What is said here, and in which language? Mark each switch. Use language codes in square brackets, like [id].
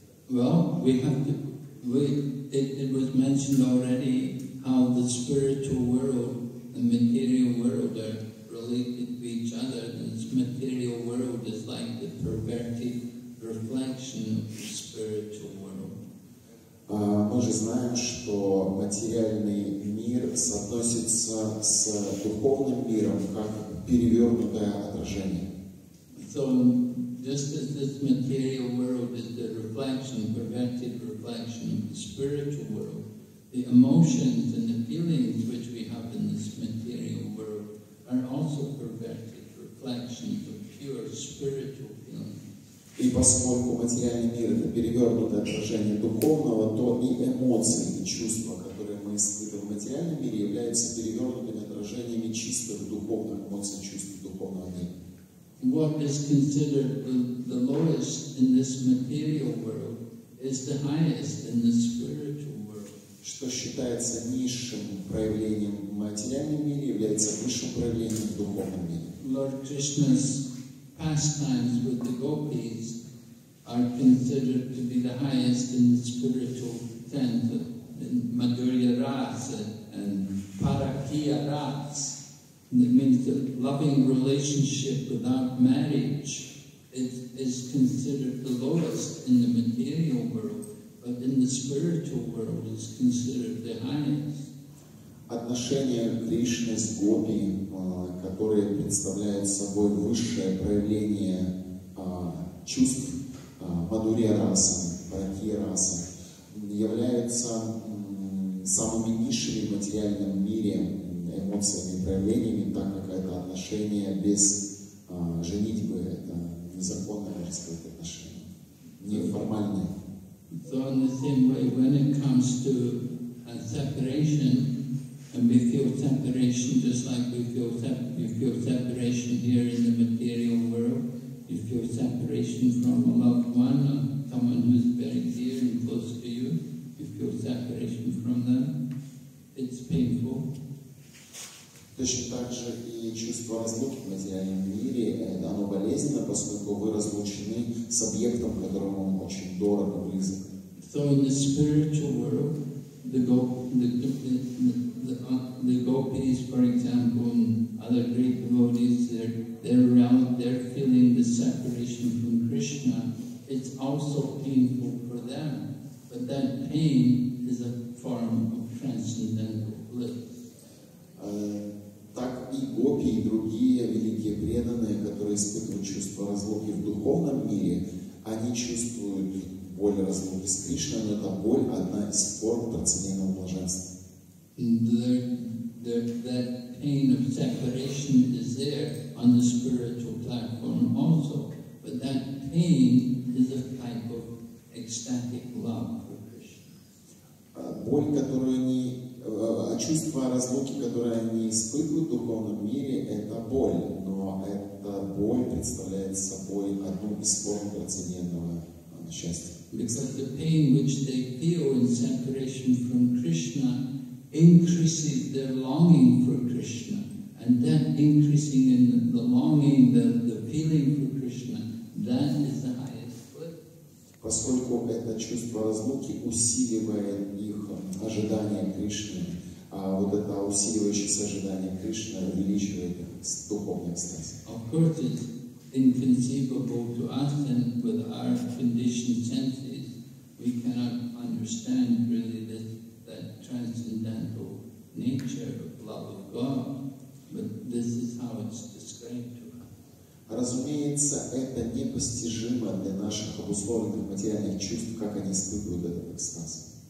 [en] Well, it was mentioned already how the spiritual world and material world are related to each other. This material world is like the perverted reflection of the spiritual world. [ru] Мы же знаем, что материальный мир соотносится с духовным миром как перевернутое отражение. [en] So, just as this material world is the reflection, perverted reflection of the spiritual world, the emotions and the feelings which we have in this material world are also perverted reflections of pure spiritual feelings. [ru] И поскольку материальный мир это перевернутое отражение духовного, то и эмоции. эмоции и чувства, которые мы испытываем в материальном мире, являются перевернутыми отражениями чистых духовных эмоций и чувств духовного мира. [en] What is considered the lowest in this material world is the highest in the spiritual world. [ru] Что считается низшим проявлением в материальном мире, является высшим проявлением в духовном мире. [en] Lord Krishna's pastimes with the gopis are considered to be the highest in the spiritual sense, in Madhurya Rasa and Parakya Rasa. And it means that loving relationship without marriage is considered the lowest in the material world, but in the spiritual world is considered the highest. [ru] Отношения Кришны с гопи, которые представляют собой высшее проявление чувств Мадурья Раса, Паракия Раса, являются самыми низшими в материальном мире эмоциями, проявлениями, так как это отношение без женитьбы, это незаконное, можно сказать, отношение, неформальное. [en] So in the same way, when it comes to a separation, and we feel separation just like you feel separation here in the material world, you feel separation from a loved one, or someone who is very dear and close to you, you feel separation from them, it's painful. [ru] Точно так же и чувство разлуки в материальном мире, оно болезненно, поскольку вы разлучены с объектом, которому он очень дорог и близок. [en] So in the spiritual world, the gopis, for example, and other great devotees, they're feeling the separation from Krishna. It's also painful for them, but that pain is a form of transcendental bliss. [ru] Так и гопи, и другие великие преданные, которые испытывают чувство разлуки в духовном мире, они чувствуют боль разлуки с Кришной, но эта боль – одна из форм трансцендентного блаженства. [en] That pain of separation is there on the spiritual platform also, but that pain is a type of ecstatic love for Krishna. [ru] Боль, которую они чувство разлуки, которое они испытывают в духовном мире, это боль, но эта боль представляет собой одну из форм трансцендентного счастья. [en] Because the pain which they feel in separation from Krishna increases their longing for Krishna, and that increasing in the longing, the feeling for Krishna, that is the highest bliss. [ru] Поскольку это чувство разлуки усиливает их ожидание Кришны, а вот это усиливающееся ожидание Кришны увеличивает духовный экстаз. [en] Of course, it's inconceivable to us, and with our conditioned senses, we cannot understand really that transcendental nature of love of God. But this is how it's described to us. [ru] Разумеется, это непостижимо для наших обусловленных материальных чувств, как они испытывают этот экстаз.